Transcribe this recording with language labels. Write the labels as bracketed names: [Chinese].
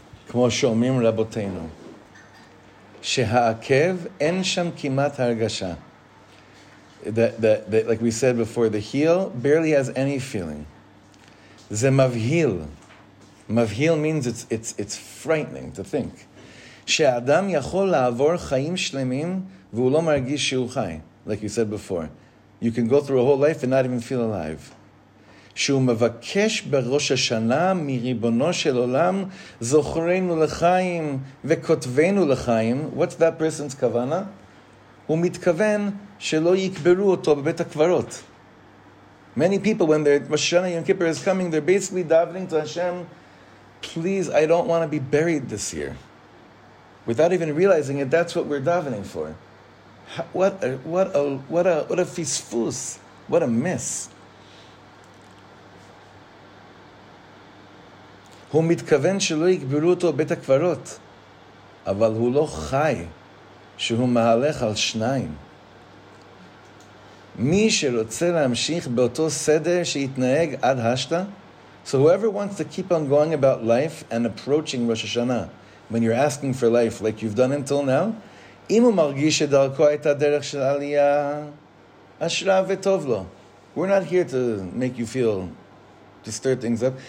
[Hebrew] כמו שומעים רבותינו, שהעקב אין שם כמעט הרגשה. [English] The, like we said before, the heel barely has any feeling. [Hebrew] זה מבהיל. [English] מבהיל means it's frightening to think. [Hebrew] שאדם יכול לעבור חיים שלמים והוא לא מרגיש שהוא חי. [English] Like you said before, you can go through a whole life and not even feel alive. [Hebrew] שהוא מבקש בראש השנה מריבונו של עולם זוכרנו לחיים וכותבנו לחיים. [English] What's that person's כוונה? [Hebrew] הוא מתכוון שלא יקברו אותו בבית הקברות. [English] Many people, when their Hashanah Yom Kippur is coming, they're basically davening to Hashem, please, I don't want to be buried this year. Without even realizing it, that's what we're davening for. What a fisfus, what a miss. [Hebrew] הוא מתכוון שלא יקברו אותו בית הקברות, אבל הוא לא חי שהוא מהלך על שניים. מי שרוצה להמשיך באותו סדר שיתנהג עד השתה, [English] so whoever wants to keep on going about life and approaching Rosh Hashanah, when you're asking for life like you've done until now, [Hebrew] אם הוא מרגיש שדרכו הייתה דרך של עלייה, אשרה וטוב לו. [English] We're not here to make you feel to stir things up.